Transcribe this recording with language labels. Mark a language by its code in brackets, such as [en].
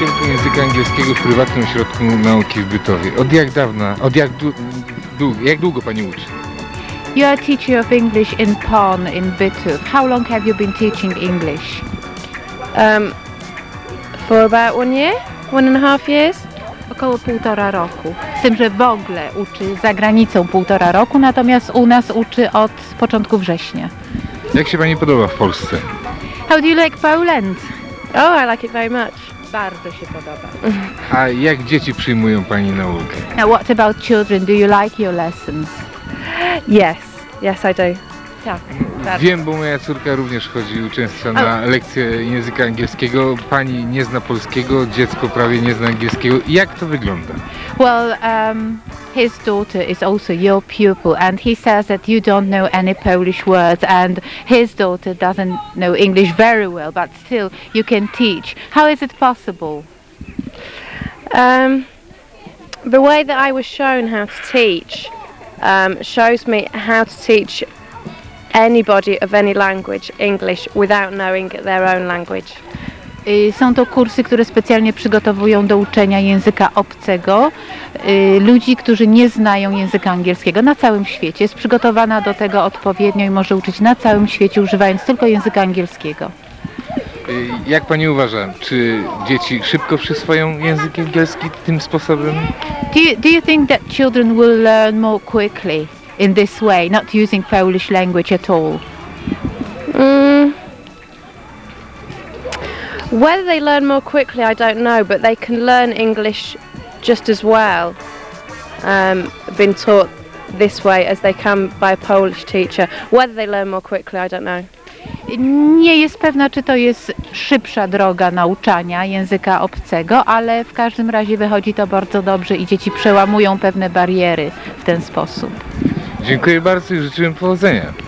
[pl] W prywatnym ośrodku nauki w Bytowie. Od jak dawna, jak długo pani uczy? [en] You are teacher of English in Pon in Bytów. How long have you been teaching English? For about 1 year, 1.5 years. [pl] Około 1.5 roku. Z tym, że w ogóle uczy za granicą 1.5 roku, natomiast u nas uczy od początku września. Jak się pani podoba w Polsce? [en] How do you like Poland? Oh, I like it very much. [pl] Bardzo się podoba. A jak dzieci przyjmują pani naukę? [en] Now what about children? Do you like your lessons? Yes, yes I do. [pl] Tak. Wiem, bo moja córka również chodzi uczęszcza na lekcje języka angielskiego. Pani nie zna polskiego, dziecko prawie nie zna angielskiego. Jak to wygląda? [en] Well, his daughter is also your pupil and he says that you don't know any Polish words and his daughter doesn't know English very well, but still you can teach. How is it possible? The way that I was shown how to teach shows me how to teach anybody of any language English without knowing their own language. [pl] Są to kursy, które specjalnie przygotowują do uczenia języka obcego ludzi, którzy nie znają języka angielskiego na całym świecie. Jest przygotowana do tego odpowiednio i może uczyć na całym świecie, używając tylko języka angielskiego. Jak pani uważa, czy dzieci szybko przyswoją język angielski tym sposobem? [en] Do you think that children will learn more quickly in this way, not using Polish language at all? Whether they learn more quickly, I don't know, but they can learn English just as well, being taught this way as they can by a Polish teacher. Whether they learn more quickly, I don't know. [pl] Nie jest pewna, czy to jest szybsza droga nauczania języka obcego, ale w każdym razie wychodzi to bardzo dobrze i dzieci przełamują pewne bariery w ten sposób. Dziękuję bardzo i życzę im powodzenia.